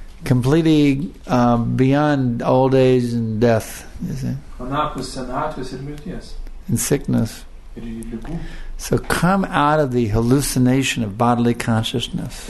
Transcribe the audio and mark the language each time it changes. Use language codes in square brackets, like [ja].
[en] Completely beyond old age and death, you see. [lt] Anapus senatvės ir mirties. [en] And sickness. So come out of the hallucination of bodily consciousness.